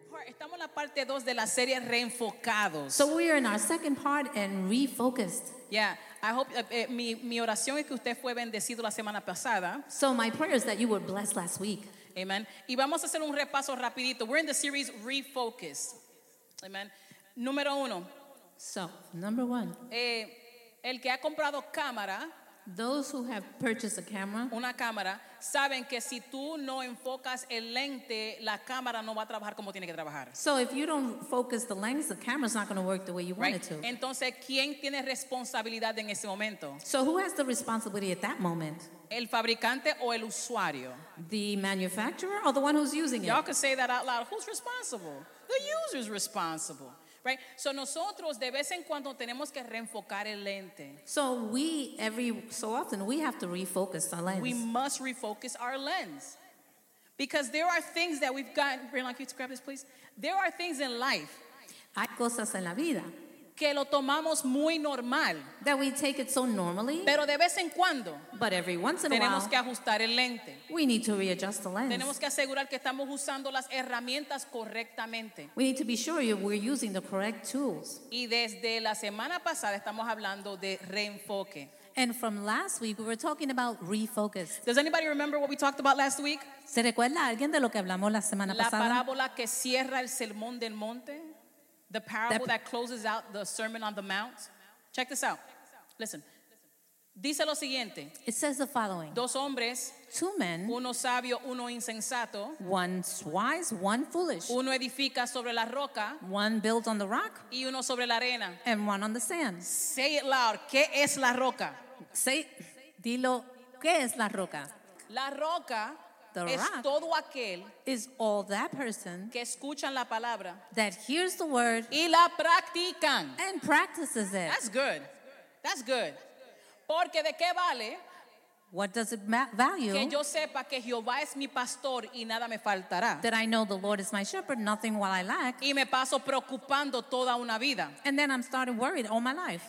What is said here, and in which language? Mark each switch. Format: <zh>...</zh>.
<es>Estamos en la parte 2 de la serie Reenfocados.</es> <en>So we are in our second part and refocused. Yeah, I hope,</en> <es>mi oración es que usted fue bendecido la semana pasada.</es> <en>So my prayer is that you were blessed last week.</en> <es>Amen. Y vamos a hacer un repaso rapidito.</es> <en>We're in the series Refocus.</en> <es>Amen. Número uno.</es> <en>So, number one.</en> <es>El que ha comprado cámara,</es> <en>those who have purchased a camera,</en> <es>una cámara, saben que si tú no enfocas el lente, la cámara no va a trabajar como tiene que trabajar.</es> <en>So if you don't focus the lens, the camera's not going to work the way you right. want it to.</en> <es>Entonces, ¿quién tiene responsabilidad en ese momento?</es> <en>So who has the responsibility at that moment?</en> <es>¿El fabricante o el usuario?</es> <en>The manufacturer or the one who's using Y'all it? Y'all can say that out loud. Who's responsible? The user's responsible. Right, so</en> <es>nosotros de vez en cuando tenemos que reenfocar el lente.</es> <en>So we every so often we have to refocus our lens. We must refocus our lens because there are things that we've got. Bring like you to grab this, please. There are things in life.</en> <es>Hay cosas en la vida que lo tomamos muy normal.</es> <en>That we take it so normally.</en> <es>Pero de vez en cuando.</es> <en>But every once in a while.</en> <es>Tenemos que ajustar el lente.</es> <en>We need to readjust the lens.</en> <es>Tenemos que asegurar que estamos usando las herramientas correctamente.</es> <en>We need to be sure we're using the correct tools.</en> <es>Y desde la semana pasada estamos hablando de reenfoque.</es> <en>And from last week we were talking about refocus. Does anybody remember what we talked about last week?</en> <es>¿Se recuerda alguien de lo que hablamos la semana pasada? La parábola que cierra el sermón del monte.</es> <en>The parable that closes out the Sermon on the Mount. Check this out. Listen.</en> <es>Dice lo siguiente.</es> <en>It says the following.</en> <es>Dos hombres.</es> <en>Two men.</en> <es>Uno sabio, uno insensato.</es> <en>One wise, one foolish.</en> <es>Uno edifica sobre la roca.</es> <en>One builds on the rock.</en> <es>Y uno sobre la arena.</es> <en>And one on the sand. Say it loud.</en> <es>¿Qué es la roca? Say, dilo, ¿qué es la roca? La roca.</es> <en>The rock</en> <es>es todo aquel</es> <en>is all that person</en> <es>que escuchan la palabra</es> <en>that hears the word</en> <es>y la practican.</es> <en>And practices it. That's good. That's good.</en> <es>Porque de qué vale</es> <en>what does it value</en> <es>que yo sepa que Jehová es mi pastor y nada me faltará.</es> <en>That I know the Lord is my shepherd, nothing will I lack.</en> <es>Y me paso preocupando toda una vida.</es> <en>And then I'm started worried all my life.</en>